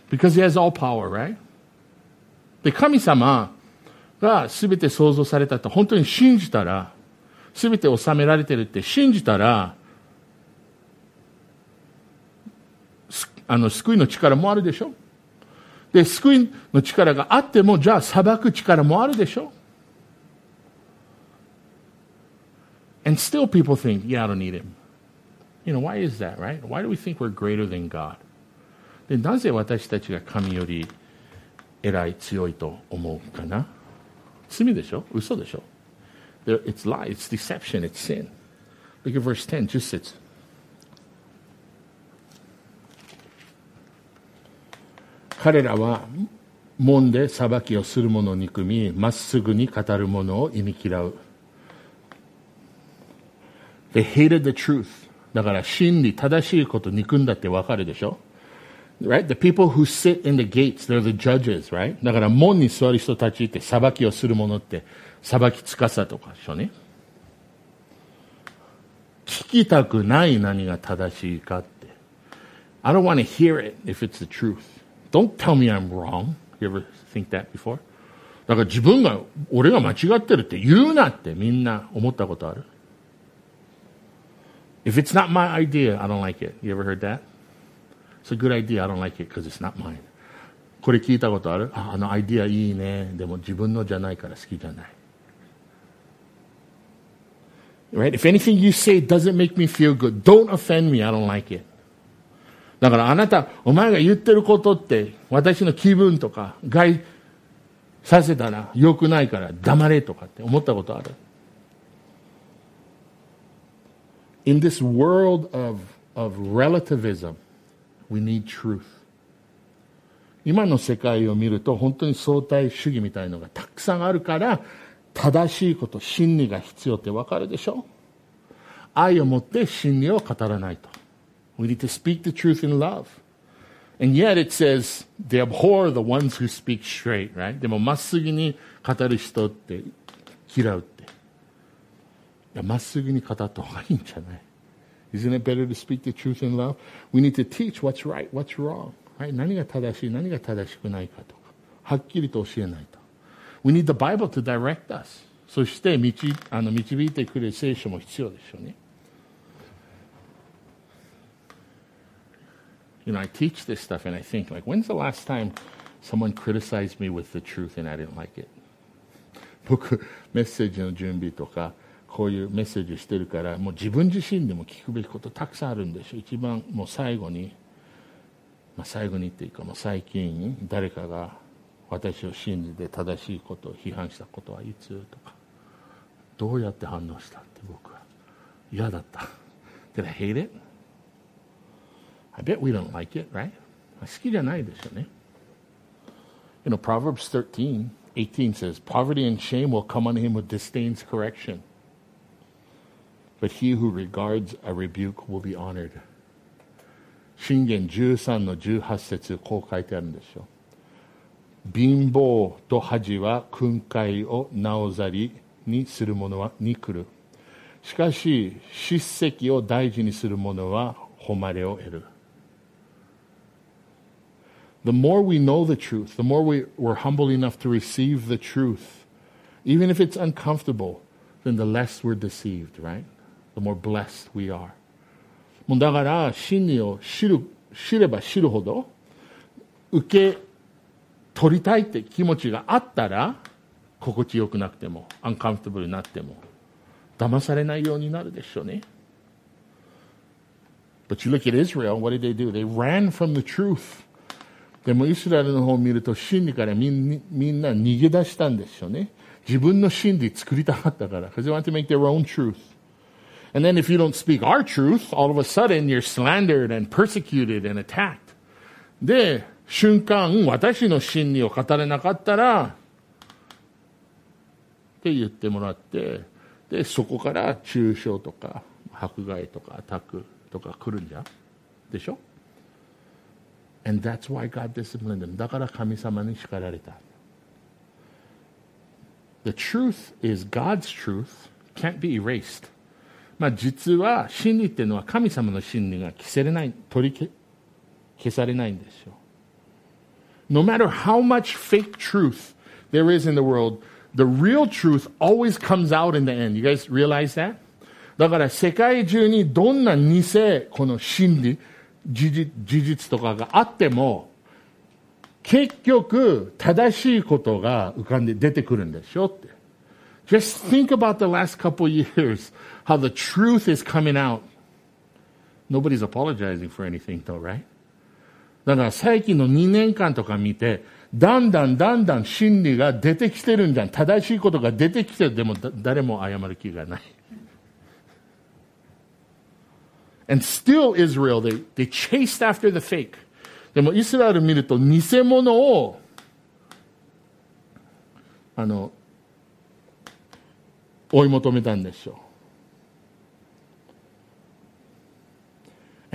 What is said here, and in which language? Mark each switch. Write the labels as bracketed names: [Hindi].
[English] Because he has all power, right? [Japanese] で、神様、が全て創造されたと本当に信じたら、全て収められてるって信じたら、あの救いの力もあるでしょ。で、救いの力があっても、じゃあ裁く力もあるでしょ。 [English] And still people think, yeah, I don't need him. You know, why is that, right? Why do we think we're greater than God? [Japanese] で、なぜ私たちが神より偉い強いと思うかな。罪でしょ？嘘でしょ？ [English] It's lie, it's deception, it's sin. Look at verse 10, just sits. [Japanese] 彼らは門で裁きをする者を憎み、まっすぐに語る者を忌み嫌う。 [English] They hated the truth. [Japanese] だから真理、正しいこと憎んだってわかるでしょ？ [English] Right? The people who sit in the gates, they're the judges, right? [Japanese] だから門に座る人たちって裁きをする者って裁きつかさとかでしょうね。聞きたくない何が正しいかって。 [English] I don't want to hear it if it's the truth. Don't tell me I'm wrong. You ever think that before? [Japanese] だから自分が、俺が間違ってるって言うなってみんな思ったことある。 [English] If it's not my idea, I don't like it. You ever heard that? It's a good idea. I don't like it because it's not mine. [Japanese] これ聞いたことある？あのアイディアいいね。でも自分のじゃないから好きじゃない。 [English] Right? If anything you say doesn't make me feel good, don't offend me. I don't like it. [Japanese] だからあなた、お前が言ってることって私の気分とか害させたら良くないから黙れとかって思ったことある？ [English] In this world of relativism,We need truth. [Japanese] 今の世界を見ると本当に相対主義みたいのがたくさんあるから、正しいこと、真理が必要ってわかるでしょ。愛を持って真理を語らないと。 [English] We need to speak the truth in love. And yet it says they abhor the ones who speak straight, right? [Japanese] でも真っ直ぐに語る人って嫌うって。いや、真っ直ぐに語った方がいいんじゃない。 [English] Isn't it better to speak the truth in love? We need to teach what's right, what's wrong. Right? [Japanese] 何が正しい、何が正しくないかとか、はっきりと教えないと。 [English] We need the Bible to direct us. [Japanese] そして導いてくれる聖書も必要でしょうね。 [English] You know, I teach this stuff and I think, like, when's the last time someone criticized me with the truth and I didn't like it? [Japanese] 僕、メッセージの準備とか、こういうメッセージしてるから、もう自分自身でも聞くべきことたくさんあるんでしょ。一番もう最後に、まあ、最後にっていうか、もう最近誰かが私を信じて正しいことを批判したことはいつとか、どうやって反応したって。僕は嫌だった。 [English] Did I hate it? I bet we don't like it, right? [Japanese] 好きじゃないでしょうね。 [English] You know, Proverbs 13:18 says Poverty and shame will come on him who disdains correction. But he who regards a rebuke will be honored. [Japanese] 箴言13:18こう書いてあるんですよ。貧乏と恥は訓戒をなおざりにする者はに来る。しかし叱責を大事にする者は誉れを得る。 [English] The more we know the truth, the more we're humble enough to receive the truth, even if it's uncomfortable, then the less we're deceived, right? The more blessed we are. [Japanese] もうだから真理を知れば知るほど、受け取りたいって気持ちがあったら、心地よくなくても、uncomfortable になっても、騙されないようになるでしょうね。 [English] But you look at Israel, what did? They ran from the truth. [Japanese] でもイスラエルの方を見ると真理からみんな逃げ出したんですよね。自分の真理作りたかったから。 [English] Because they want to make their own truth. And then if you don't speak our truth, all of a sudden you're slandered and persecuted and attacked. [Japanese] で、瞬間私の真理を語れなかったらって言ってもらって、で、そこから中傷とか迫害とかアタックとか来るんじゃん。でしょ？ [English] And that's why God disciplined them. [Japanese] だから神様に叱られた。 [English] The truth is God's truth can't be erased. [Japanese] まあ実は真理っていうのは神様の真理が消せれない、取り消されないんですよ。 [English] No matter how much fake truth there is in the world, the real truth always comes out in the end. You guys realize that? [Japanese] だから世界中にどんな偽この真理、事実とかがあっても結局正しいことが浮かんで出てくるんでしょって。 [English] Just think about the last couple years, how the truth is coming out. Nobody's apologizing for anything though, right? [Japanese] だから最近の2年間とか見てだんだん真理が出てきてるんじゃん。正しいことが出てきてる。でも誰も謝る気がない。 [English] And still Israel, they chased after the fake. [Japanese] でもイスラエル見ると偽物を追い求めたんでしょう。